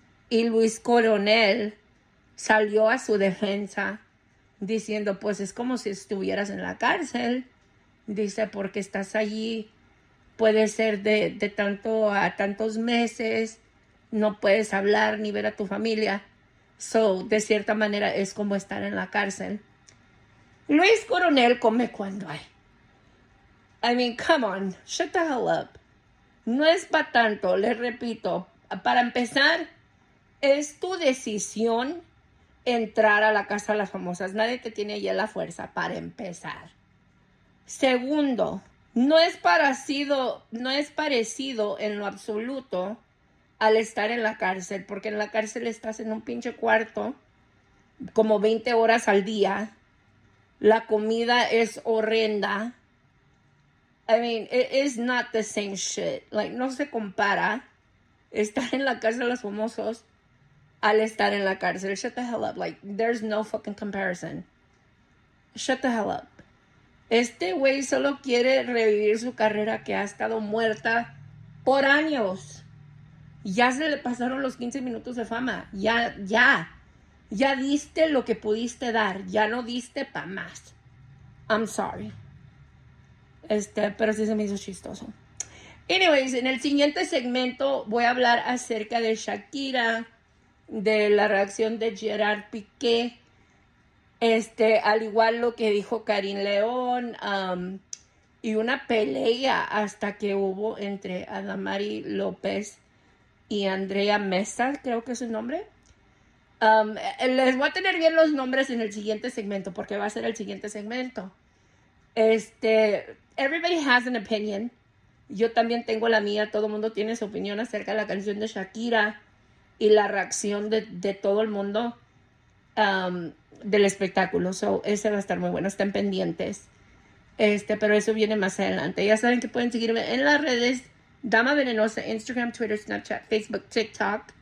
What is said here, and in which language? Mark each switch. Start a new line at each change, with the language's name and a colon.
Spanish: Y Luis Coronel salió a su defensa diciendo, pues es como si estuvieras en la cárcel. Dice, porque estás allí, puede ser de tanto a tantos meses, no puedes hablar ni ver a tu familia.
English: So,
Spanish: de cierta manera, es como estar en la cárcel. Luis Coronel come cuando hay.
English: I mean, come on, shut the hell up.
Spanish: No es para tanto, les repito. Para empezar, es tu decisión entrar a la Casa de las Famosas. Nadie te tiene ahí la fuerza para empezar. Segundo, no es parecido en lo absoluto al estar en la cárcel, porque en la cárcel estás en un pinche cuarto como 20 horas al día, la comida es horrenda.
English: I mean, it's not the same shit. Like,
Spanish: no se compara estar en la Casa de los Famosos al estar en la cárcel.
English: Shut the hell up. Like, there's no fucking comparison. Shut the hell up.
Spanish: Este güey solo quiere revivir su carrera que ha estado muerta por años. Ya se le pasaron los 15 minutos de fama. Ya. Ya diste lo que pudiste dar. Ya no diste para más.
English: I'm sorry.
Spanish: Pero sí se me hizo chistoso.
English: Anyways,
Spanish: en el siguiente segmento voy a hablar acerca de Shakira, de la reacción de Gerard Piqué. Al igual lo que dijo Carin León, y una pelea hasta que hubo entre Adamari López y Andrea Mesa, creo que es su nombre. Les voy a tener bien los nombres en el siguiente segmento, porque va a ser el siguiente segmento.
English: Everybody has an opinion.
Spanish: Yo también tengo la mía, todo el mundo tiene su opinión acerca de la canción de Shakira y la reacción de todo el mundo. Del espectáculo,
English: so
Spanish: ese va a estar muy bueno, estén pendientes. Pero eso viene más adelante. Ya saben que pueden seguirme en las redes Dama Venenosa, Instagram, Twitter, Snapchat, Facebook, TikTok.